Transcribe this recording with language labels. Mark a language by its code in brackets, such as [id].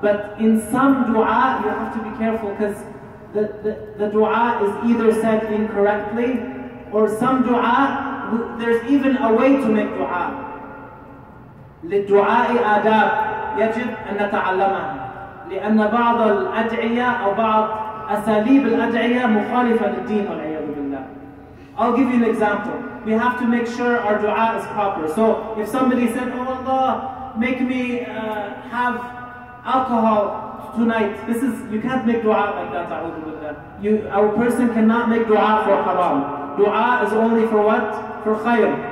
[en] But in some dua, you have to be careful because the dua is either said incorrectly or some dua, there's even a way to make dua. [ar] للدعاء آداب يجب أن نتعلمها لأن بعض الأدعية أو بعض أساليب الأدعية مخالفة للدين والعياذ بالله. [en] I'll give you an example. We have to make sure our dua is proper. So if somebody said, oh Allah, make me have alcohol tonight, this is, you can't make dua like that, [ar] أعوذ بالله. [en] Our person cannot make dua for haram. Dua is only for what? For khayr.